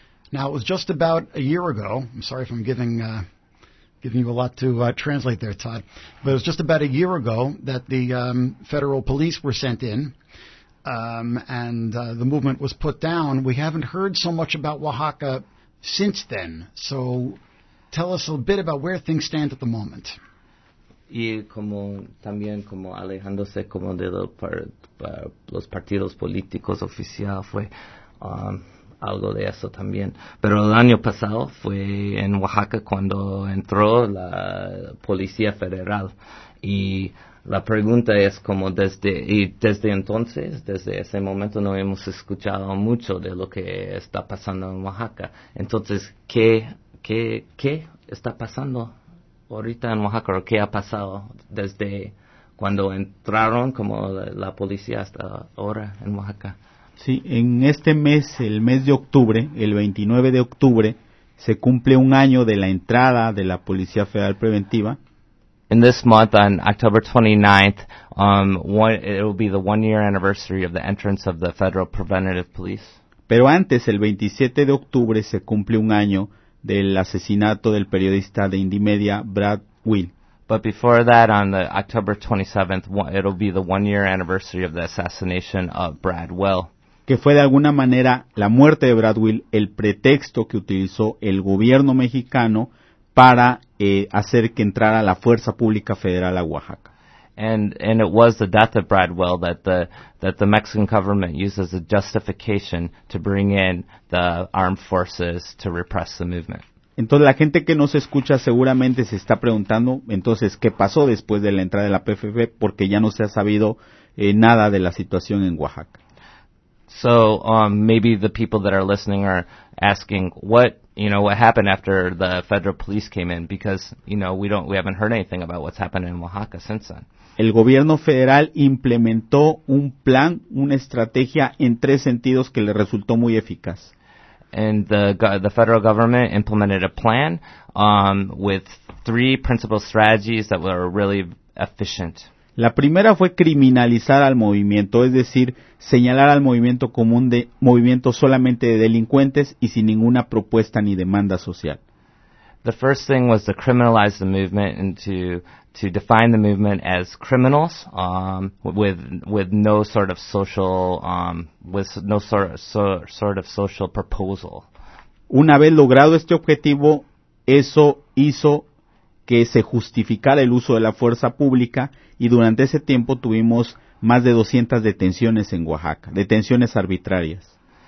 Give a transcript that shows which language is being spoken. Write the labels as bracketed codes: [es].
[en] Now, it was just about a year ago. I'm sorry if I'm giving you a lot to translate there, Todd, but it was just about a year ago that the federal police were sent in and the movement was put down. We haven't heard so much about Oaxaca since then, so tell us a bit about where things stand at the moment. [es] Y como también como alejándose como de los partidos políticos oficial fue algo de eso también. Pero el año pasado fue en Oaxaca cuando entró la Policía Federal. Y la pregunta es como desde ese momento no hemos escuchado mucho de lo que está pasando en Oaxaca. Entonces, ¿qué está pasando ahorita en Oaxaca? ¿O qué ha pasado desde cuando entraron como la policía hasta ahora en Oaxaca? Sí, en este mes, el mes de octubre, el 29 de octubre, se cumple un año de la entrada de la Policía Federal Preventiva. [en] In this month, on October 29th, it will be the one-year anniversary of the entrance of the Federal Preventative Police. [es] Pero antes, el 27 de octubre, se cumple un año del asesinato del periodista de Indymedia, Brad Will. [en] But before that, on the October 27th, it will be the one-year anniversary of the assassination of Brad Will. [es] Que fue de alguna manera la muerte de Brad Will el pretexto que utilizó el gobierno mexicano para hacer que entrara la fuerza pública federal a Oaxaca. [en] And it was the death of Brad Will that the Mexican government used as a justification to bring in the armed forces to repress the movement. [es] Entonces la gente que nos escucha seguramente se está preguntando, entonces, ¿qué pasó después de la entrada de la PFF? Porque ya no se ha sabido nada de la situación en Oaxaca. [en] So maybe the people that are listening are asking what happened after the federal police came in, because we haven't heard anything about what's happened in Oaxaca since then. [es] El gobierno federal implementó un plan, una estrategia en tres sentidos que le resultó muy eficaz. [en] And the federal government implemented a plan with three principal strategies that were really efficient. [es] La primera fue criminalizar al movimiento, es decir, señalar al movimiento como un movimiento solamente de delincuentes y sin ninguna propuesta ni demanda social. [en] The first thing was to criminalize the movement and to define the movement as criminals with no sort of social proposal. [es] Una vez logrado este objetivo, eso hizo que se justificara el uso de la fuerza pública, y durante ese tiempo tuvimos más de 200 detenciones en Oaxaca, detenciones arbitrarias.